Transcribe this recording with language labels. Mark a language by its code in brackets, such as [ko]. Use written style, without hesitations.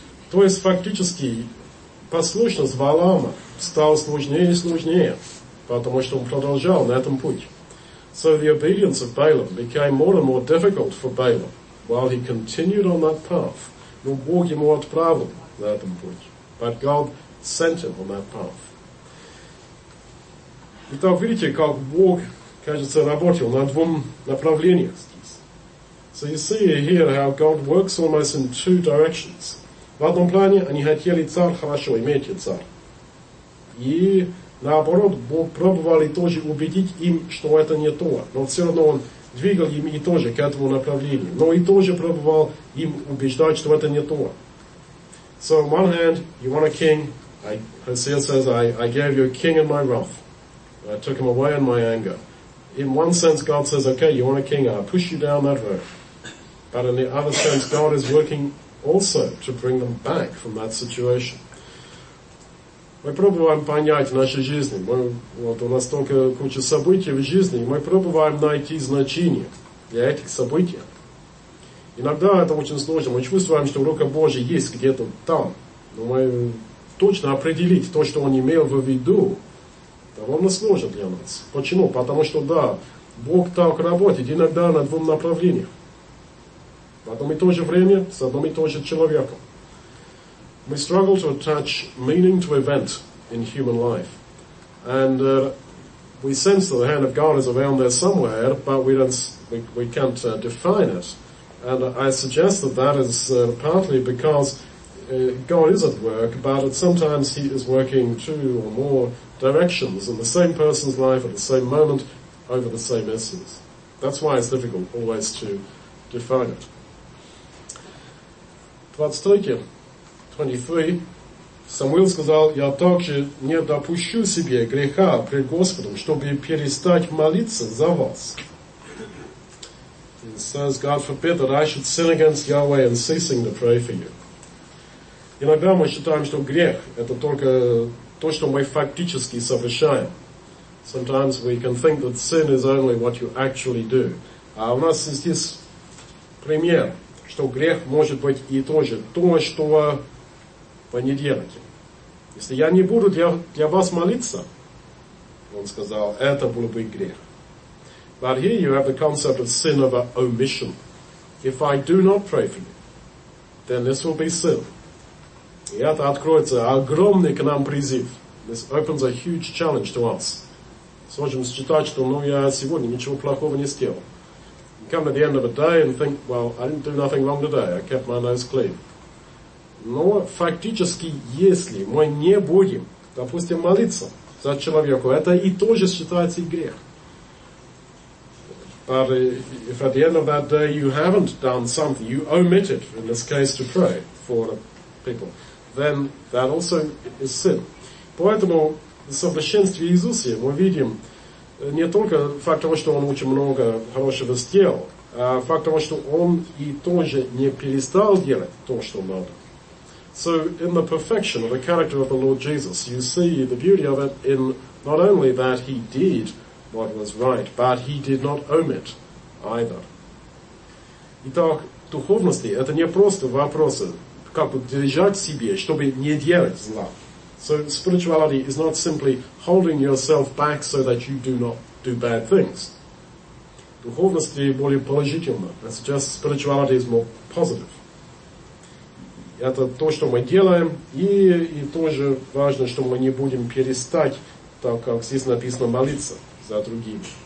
[ru] То есть фактически послушность Валаама стала сложнее и сложнее, потому что он продолжал на этом пути. [en] So the obedience of Balaam became more and more difficult for Balaam while he continued on that path. [ru] Но Бог ему отправил на этом пути. [en] But God sent him on that path. [ru] Итак, видите, как Бог, кажется, работал на двум направлениях здесь. [en] So you see here how God works almost in two directions. [ru] В одном плане они хотели царь, хорошо, имейте царь. И наоборот, Бог пробовал тоже убедить им, что это не то. Но все равно он двигал им и тоже к этому направлению. Но и тоже пробовал им убеждать, что это не то. [en] So on one hand, you want a king. Hosea says, I gave you a king in my wrath. I took him away in my anger. In one sense, God says, okay, you want a king, I'll push you down that road. But in the other sense, God is working also to bring them back from that situation. [ru] Мы пробуем понять в нашей жизни, вот у нас столько куча событий в жизни, и мы пробуем найти значение для этих событий. Иногда это очень сложно, мы чувствуем, что рука Божья есть где-то там, но мы точно определить то, что он имел в виду, довольно сложно для нас. Почему? Потому что, да, Бог так работает иногда на двух направлениях. В одно и то же время, с одним и то же человеком. [en] We struggle to attach meaning to event in human life. And we sense that the hand of God is around there somewhere, but we can't define it. And I suggest that is partly because God is at work, but sometimes he is working two or more directions in the same person's life at the same moment over the same essence. That's why it's difficult always to define it. 23. [ru] Самуил сказал, я также не допущу себе греха пред Господом, чтобы перестать молиться за вас. [en] It says, God forbid that I should sin against Yahweh in ceasing to pray for you. [ru] Иногда мы считаем, что грех – это только то, что мы фактически совершаем. [en] Sometimes we can think that sin is only what you actually do. [ru] А у нас есть здесь пример, что грех может быть и тоже то, что вы не делаете. Если я не буду для вас молиться, он сказал, это был бы грех. [en] But here you have the concept of sin of omission. If I do not pray for you, then this will be sin. [ru] И это откроется огромный к нам призыв. [en] This opens a huge challenge to us. [ru] Сможем считать, что ну я сегодня ничего плохого не сделал. [en] Come at the end of a day and think, well, I didn't do nothing wrong today. I kept my nose clean. [ru] Но фактически, если мы не будем, допустим, молиться за человека, это и тоже считается и грех. [en] But if at the end of that day you haven't done something, you omitted, in this case, to pray for people, then that also is sin. [ru] Поэтому в совершенстве Иисуса мы видим, не только факт того, что он очень много хорошего сделал, а факт того, что он и тоже не перестал делать то, что надо. [en] So in the perfection of the character of the Lord Jesus, you see the beauty of it in not only that he did what was right, but he did not omit either. [ru] Итак, духовности – это не просто вопросы, как бы держать себе, чтобы не делать зла. [en] So spirituality is not simply holding yourself back so that you do not do bad things. [ru] Духовность более положительна. [en] That suggests spirituality is more positive. [ru] Это то, что мы делаем, и тоже важно, что мы не будем перестать, так как здесь написано, молиться за другими.